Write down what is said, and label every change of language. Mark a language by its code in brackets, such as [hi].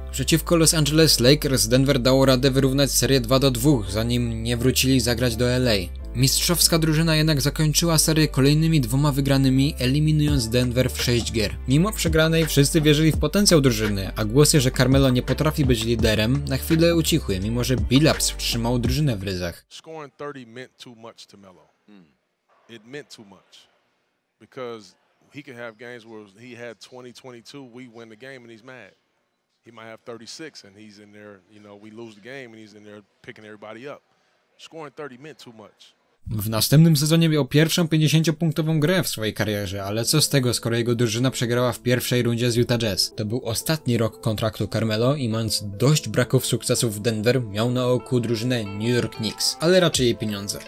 [pl] Przeciwko Los Angeles Lakers Denver dało radę wyrównać serię 2-2, zanim nie wrócili zagrać do LA. Mistrzowska drużyna jednak zakończyła serię kolejnymi 2 wygranymi, eliminując Denver w 6 gier. Mimo przegranej wszyscy wierzyli w potencjał drużyny, a głosy, że Carmelo nie potrafi być liderem, na chwilę ucichły, mimo że Billups trzymał drużynę w ryzach. [en] Scoring 30 meant too much to Melo. It meant too much. Because he could have games where he had 20-22, we win the game and he's mad. He might have 36 and he's in there, you know, we lose the game and he's in there picking everybody up. Scoring 30 meant too much. [pl] W następnym sezonie miał pierwszą 50-punktową grę w swojej karierze, ale co z tego, skoro jego drużyna przegrała w pierwszej rundzie z Utah Jazz. To był ostatni rok kontraktu Carmelo i mając dość braków sukcesów w Denver, miał na oku drużynę New York Knicks, ale raczej jej pieniądze.